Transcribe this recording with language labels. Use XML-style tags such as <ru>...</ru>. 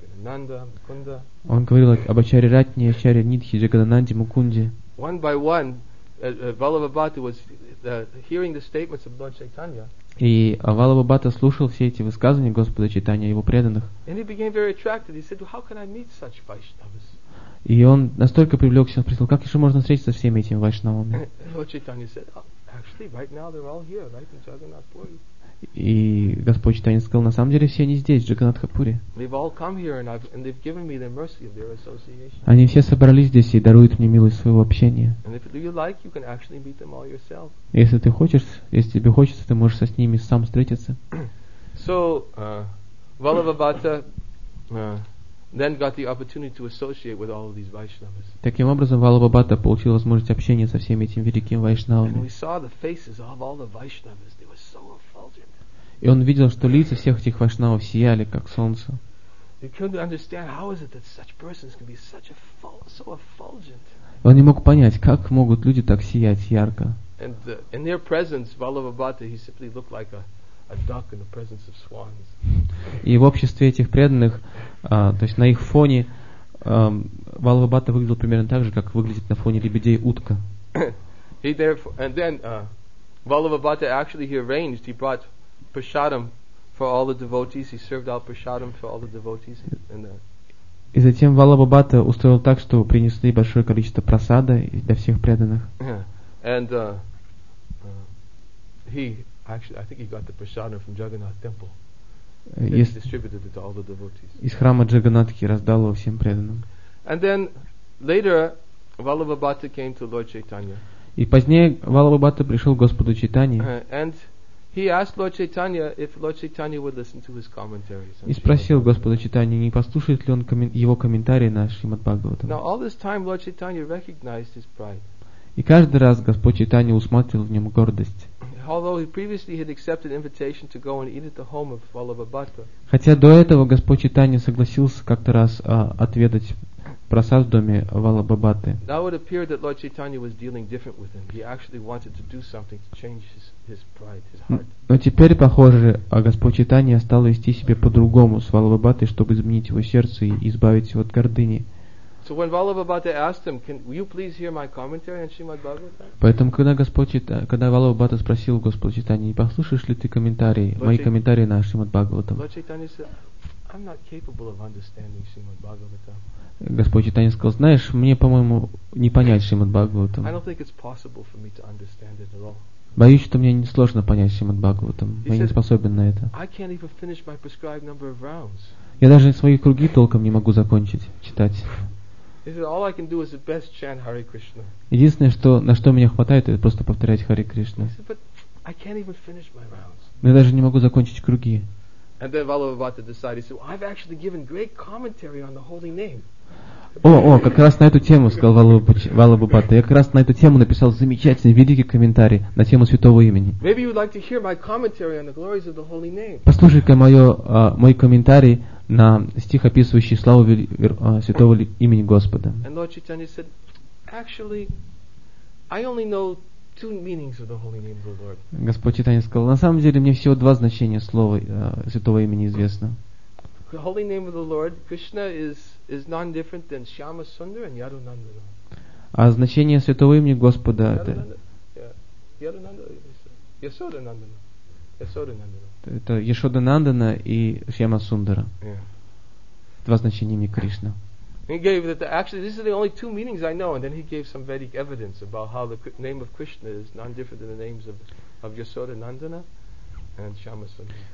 <ru>Он говорил об Ачаре Ратне, Ачаре Нидхи, Джагадананде, Мукунде.</ru> <en>One by one, Валлабха Бхатта was hearing the statements of Lord Chaitanya.</en> <ru>И Валлабха Бхатта слушал все эти высказывания Господа Чайтанья и его преданных.</ru> <en>And he became very attracted. He said, "How can I meet such Vaishnavas?"</en> <ru>И он настолько привлекся, он спросил, как еще можно встретиться со всеми этими вайшнавами.</ru> <en>Lord Chaitanya said, "Actually, right now they're all here, right in Jagannath Puri."</en> <ru>И Господь Чайтанья сказал, на самом деле все они здесь, в Джаганатхапуре.</ru> <en>They've all come here and they've given me the mercy of their association.</en> <ru>Они все собрались здесь и даруют мне милость своего общения.</ru> <en>And if you like, you can actually meet them all yourself.</en> <ru>Если ты хочешь, если тебе хочется, ты можешь с ними сам встретиться.</ru> <en>So, Валлабха Бхатта then got the opportunity to associate with all of these Vaishnavas.</en> <ru>Таким образом, Валлабха Бхатта получил возможность общения со всеми этими великими вайшнавами.</ru> <en>And we saw the faces of all the Vaishnavas. They were so effulgent.</en> <ru>И он видел, что лица всех этих вайшнавов сияли как солнце.</ru> <en>He couldn't understand how is it that such persons can be such a so effulgent.</en> <ru>Он не мог понять, как могут люди так сиять ярко.</ru> <en>And in their presence, Valabha Bhatta, he simply looked like a duck in the presence of swans.</en> <ru>И в обществе этих преданных, то есть на их фоне, Валлабха Бхатта выглядел примерно так же, как выглядит на фоне лебедей утка.</ru> <en>He therefore, and then Valabha Bhatta actually he arranged, he brought prasadam for all the devotees. He served out prasadam for all the devotees.</en> <ru>И затем Валлабха Бхатта устроил так, что принесли большое количество прасада для всех преданных.</ru> <en>And he actually, I think he got the prasadam from Jagannath Temple. He distributed it to all the devotees.</en> <ru>Из храма Джаганатхи раздал его всем преданным.</ru> <en>And then later, Valabha Bhatta came to Lord Chaitanya.</en> <ru>И позднее Валлабха Бхатта пришел к Господу Чайтанье.</ru> <en>And he asked Lord Chaitanya if Lord Chaitanya would listen to his commentaries.</en> <ru>И спросил Господа Чайтанья, не послушает ли он его комментарии на Шримад Бхагаватам.</ru> <en>Now all this time, Lord Chaitanya recognized his pride.</en> <ru>И каждый раз Господь Чайтанья усматривал в нем гордость.</ru> <en>Although he previously had accepted invitation to go and eat at the home of Valabha Bhatta.</en> <ru>Хотя до этого Господь Чайтанья согласился как-то раз отведать прасад в доме Валлабха Бхатты.</ru> <en>Now it appeared that Lord Chaitanya was dealing different with him. He actually wanted to do something to change his pride, his heart.</en> <ru>Но теперь похоже, Господь Чайтанья стал вести себя по-другому с Валлабха Бхаттой, чтобы изменить его сердце и избавить его от гордыни.</ru> <en>So when Valabha Bhatta asked him, "Can you please hear my commentary on Srimad Bhagavatam?"</en> <ru>Поэтому когда Валабха Бхатта спросил Господа Чайтанья, "Не послушаешь ли ты комментарии на Шримад Бхагаватам?"</ru> <en>Lord Chaitanya said, "I'm not capable of understanding Srimad Bhagavatam."</en> <ru>Господь Чайтанья сказал, "Знаешь, мне, по-моему, не понять Шримад Бхагаватам."</ru> <en>I don't think it's possible for me to understand it at all.</en> <ru>Боюсь, что мне несложно понять Шримад Бхагаватам. Я не способен на это.</ru> <en>I can't even finish my prescribed number of rounds.</en> <ru>Я даже свои круги толком не могу закончить читать.</ru> <en>He said, "All I can do is at best chant Hare Krishna."</en> <ru>Единственное, что на что мне хватает, это просто повторять Харе Кришна.</ru> <en>He said, "But I can't even finish my rounds."</en> <ru>Я даже не могу закончить круги.</ru> <en>And then Valabha Bhatta decided, "So I've actually given great commentary on the holy name."</en> <ru>О, как раз на эту тему сказал Валабха Бхатта. Я как раз на эту тему написал замечательный великий комментарий на тему святого имени.</ru> <en>Maybe you'd like to hear my commentary on the glories of the holy name.</en> <ru>Послушай-ка мой комментарий на стих, описывающий славу святого имени Господа.</ru> <en>And Lord Chaitanya said, "Actually, I only know two meanings of the holy name of the Lord.</en> <ru>Господь Читания сказал, на самом деле мне всего два значения слова святого имени известно.</ru> <en>The holy name of the Lord, Krishna is none different than Shyama Sundara and Yadunandana.</en> <ru>А значение святого имени Господа это</ru> <sa>Yasodanandana. Yasodanandana.</sa> <ru>Это Yasodanandana и Shyama Sundara.</ru> <en>Yeah.</en> <ru>Два значения имени Кришна.</ru> <en>He gave that actually these are the only two meanings I know, and then he gave some Vedic evidence about how the name of Krishna is none different than the names of Yasodanandana and Shyama Sundara.</en>